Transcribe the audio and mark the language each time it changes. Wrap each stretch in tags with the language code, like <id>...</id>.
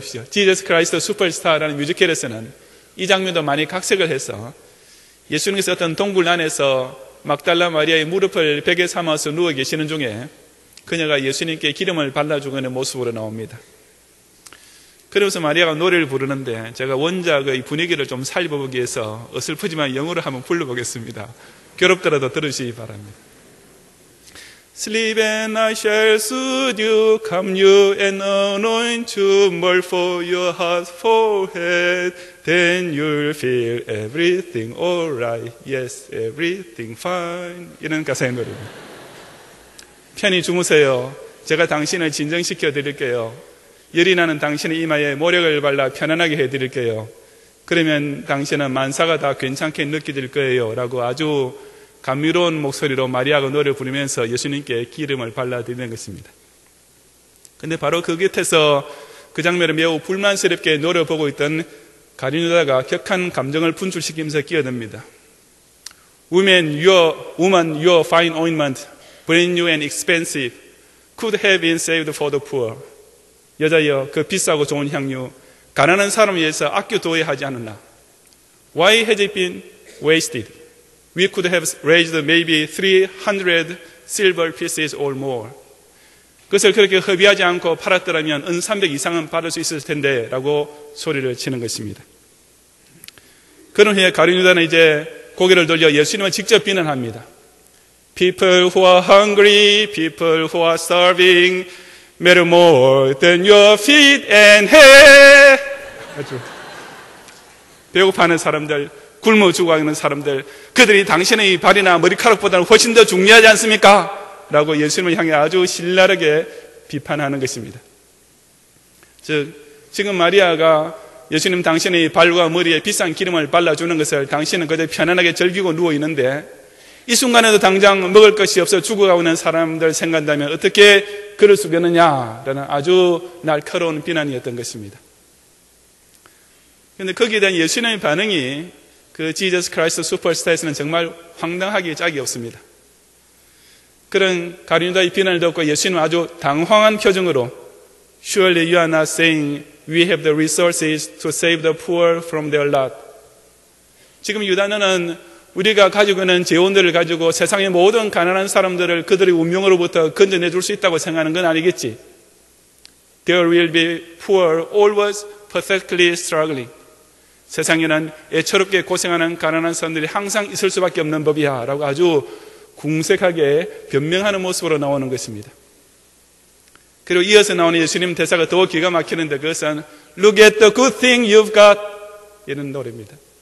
<ko>지저스 크라이스트 슈퍼스타라는 뮤지컬에서는 이 장면도 많이 각색을 해서 예수님께서 어떤 동굴 안에서 막달라 마리아의 무릎을 베개 삼아서 누워 계시는 중에 그녀가 예수님께 기름을 발라주는 모습으로 나옵니다. 그러면서 마리아가 노래를 부르는데 제가 원작의 분위기를 좀 살펴보기 위해서 어설프지만 영어로 한번 불러보겠습니다. 괴롭더라도 들으시기 바랍니다.</ko> <en>Sleep and I shall soothe you, come you and anoint you, more for your heart forehead, then you'll feel everything alright, yes, everything fine.</en> <ko>이런 가사의 노래입니다. 편히 주무세요. 제가 당신을 진정시켜 드릴게요. 열이 나는 당신의 이마에 모략을 발라 편안하게 해드릴게요. 그러면 당신은 만사가 다 괜찮게 느껴질 거예요. 라고 아주 감미로운 목소리로 마리아가 노래를 부르면서 예수님께 기름을 발라드리는 것입니다. 그런데 바로 그 곁에서 그 장면을 매우 불만스럽게 노려보고 있던 가룟 유다가 격한 감정을 분출시키면서 끼어듭니다.</ko> <en>Woman, your fine ointment, brand new and expensive, could have been saved for the poor.</en> <ko>여자여, 그 비싸고 좋은 향유, 가난한 사람을 위해서 아껴둬야 하지 않았나.</ko> <en>Why has it been wasted? We could have raised maybe 300 silver pieces or more.</en> <ko>그것을 그렇게 허비하지 않고 팔았더라면 은 300 이상은 받을 수 있을 텐데 라고 소리를 치는 것입니다. 그런 후에 가룟 유다는 이제 고개를 돌려 예수님을 직접 비난합니다.</ko> <en>People who are hungry, people who are starving, matter more than your feet and head.</en> <ko>배고파하는 사람들, 굶어 죽어가는 사람들, 그들이 당신의 발이나 머리카락보다는 훨씬 더 중요하지 않습니까? 라고 예수님을 향해 아주 신랄하게 비판하는 것입니다. 즉, 지금 마리아가 예수님 당신의 발과 머리에 비싼 기름을 발라주는 것을 당신은 그저 편안하게 즐기고 누워있는데 이 순간에도 당장 먹을 것이 없어 죽어가고 있는 사람들 생각한다면 어떻게 그럴 수 있겠느냐라는 아주 날카로운 비난이었던 것입니다. 그런데 거기에 대한 예수님의 반응이 그 지저스 크라이스트 슈퍼스타에서는 정말 황당하기에 짝이 없습니다. 그런 가룟 유다의 비난을 듣고 예수님은 아주 당황한 표정으로</ko> <en>Surely you are not saying we have the resources to save the poor from their lot.</en> <ko>지금 유다는 우리가 가지고 있는 재원들을 가지고 세상의 모든 가난한 사람들을 그들의 운명으로부터 건져내 줄 수 있다고 생각하는 건 아니겠지.</ko> <en>There will be poor always pathetically struggling.</en> <ko>세상에는 애처롭게 고생하는 가난한 사람들이 항상 있을 수밖에 없는 법이야 라고 아주 궁색하게 변명하는 모습으로 나오는 것입니다. 그리고 이어서 나오는 예수님 대사가 더 기가 막히는데 그것은</ko> <en>Look at the good thing you've got</en> <ko>이런 노래입니다.</ko>